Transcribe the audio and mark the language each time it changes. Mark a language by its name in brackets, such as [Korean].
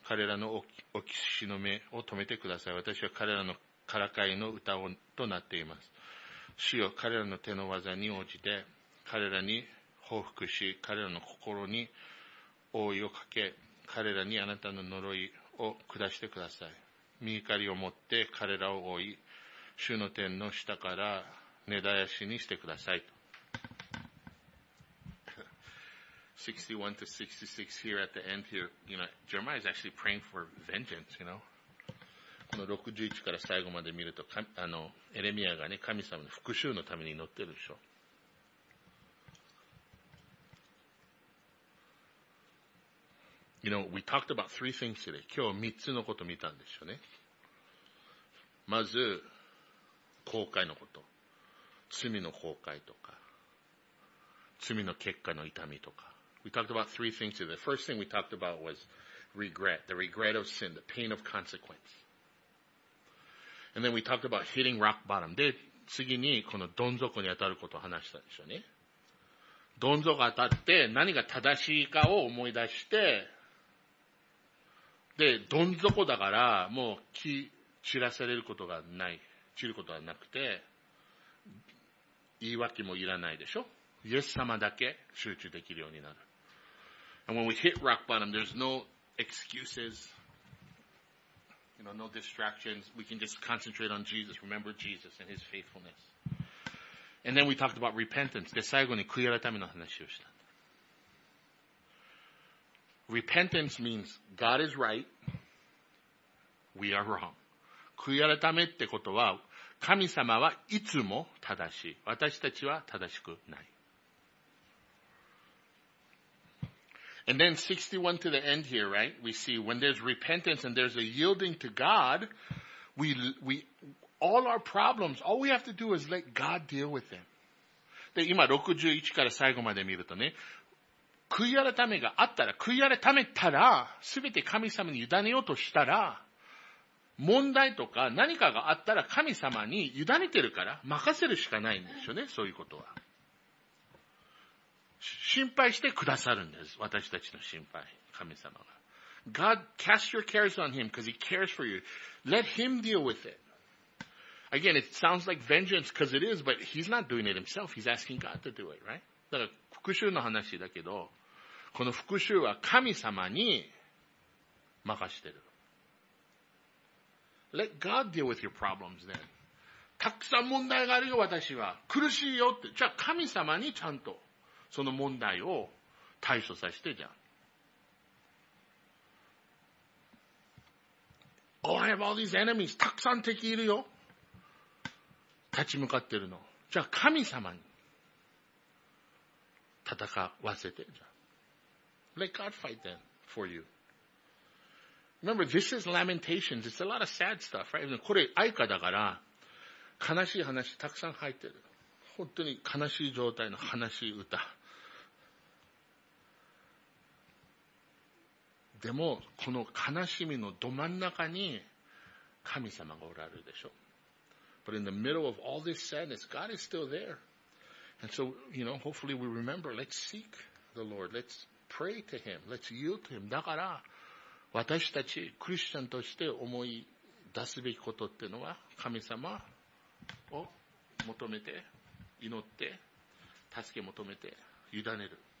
[Japanese] 彼らのおきしの目を止めてください。私は彼らのからかいの歌をとなっています。主よ、彼らの手の技に応じて、彼らに報復し、彼らの心に覆いをかけ、彼らにあなたの呪いを下してください。身怒りを持って彼らを覆い、主の天の下から根絶やしにしてくださいと。 [English] 61 to 66 here at the end here, you know, Jeremiah is actually praying for vengeance, you know. [Japanese] この61から最後まで見ると、エレミアがね、神様の復讐のために祈ってるでしょ。 [English] You know, we talked about three things today. [Japanese] 今日3つのこと見たんですよね。まず、後悔のこと。罪の後悔とか、罪の結果の痛みとか。 [English] We talked about three things today. The first thing we talked about was regret, the regret of sin, the pain of consequence. And then we talked about hitting rock bottom. [Japanese] で、次にこのどん底に当たることを話したんでしょうね。どん底当たって何が正しいかを思い出して、で、どん底だからもう気散らされることがない、散ることはなくて、言い訳もいらないでしょ。イエス様だけ集中できるようになる。 [English] And when we hit rock bottom, there's no excuses, you know, no distractions. We can just concentrate on Jesus, remember Jesus and His faithfulness. And then we talked about repentance. [Japanese] で、最後に悔い改めの話をした。 [English] Repentance means God is right, we are wrong. [Japanese] 悔い改めってことは、神様はいつも正しい。私たちは正しくない。 [English] And then 61 to the end here, right? We see when there's repentance and there's a yielding to God, we, all our problems, all we have to do is let God deal with them. [Japanese] で、今61から最後まで見るとね、悔い改めがあったら、悔い改めたら、すべて神様に委ねようとしたら、問題とか何かがあったら神様に委ねてるから、任せるしかないんですよね、そういうことは。心配してくださるんです。私たちの心配。神様が。 [English] God, cast your cares on Him because He cares for you. Let Him deal with it. Again, it sounds like vengeance because it is, but He's not doing it Himself. He's asking God to do it, right? [Japanese] だから、復讐の話だけど、この復讐は神様に任してる。 [English] Let God deal with your problems then. [Japanese] たくさん問題があるよ、私は。苦しいよって。じゃあ、神様にちゃんと。その問題を対処させてじゃん。 [English] Oh, I have all these enemies. [Japanese] たくさん敵いるよ。立ち向かってるの。じゃあ神様に戦わせてじゃん。 [English] Let God fight them for you. Remember, this is lamentations. It's a lot of sad stuff, right? [Japanese] これ哀歌だから悲しい話たくさん入ってる。本当に悲しい状態の悲しい歌。でも、この悲しみのど真ん中に神様がおられるでしょう。 [English] But in the middle of all this sadness, God is still there. And so, you know, hopefully we remember, let's seek the Lord. Let's pray to Him. Let's yield to Him. [Japanese] だから、私たちクリスチャンとして思い出すべきことっていうのは、神様を求めて、祈って、助け求めて、委ねる。